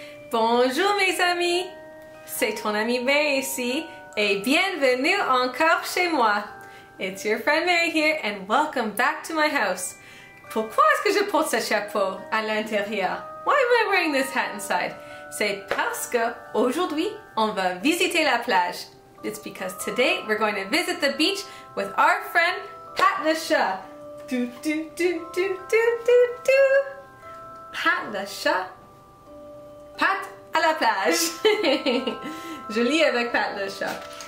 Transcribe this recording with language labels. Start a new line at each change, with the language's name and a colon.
French: Bonjour mes amis, c'est ton ami May ici, et bienvenue encore chez moi.
English: It's your friend May here, and welcome back to my house.
French: Pourquoi est-ce que je porte ce chapeau à l'intérieur?
English: Why am I wearing this hat inside?
French: C'est parce que aujourd'hui, on va visiter la plage.
English: It's because today, we're going to visit the beach with our friend, Pat le Chat. Do, do, do, do, do, do, do. Pat le Chat.
French: Pat à la plage. Je lis avec Pat le Chat.